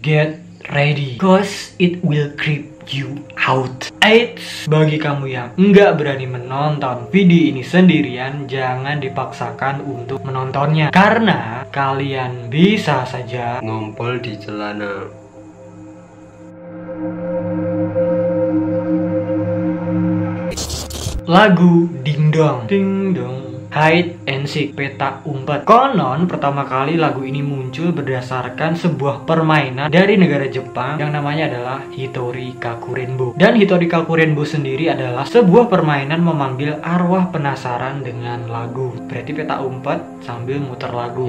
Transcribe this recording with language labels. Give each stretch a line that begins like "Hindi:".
English: Get ready, cause it will creep you out.
Indonesian: Aids, bagi kamu yang enggak berani menonton video ini sendirian, jangan dipaksakan untuk menontonnya, karena kalian bisa saja ngompol di celana. Lagu Ding Dong. Ding Dong.
English: Hide and Seek,
Indonesian: peta umpet. Konon pertama kali lagu ini muncul berdasarkan sebuah permainan dari negara Jepang yang namanya adalah Hitori Kakurenbo. Dan Hitori Kakurenbo sendiri adalah sebuah permainan memanggil arwah penasaran dengan lagu. Berarti peta umpet sambil muter lagu.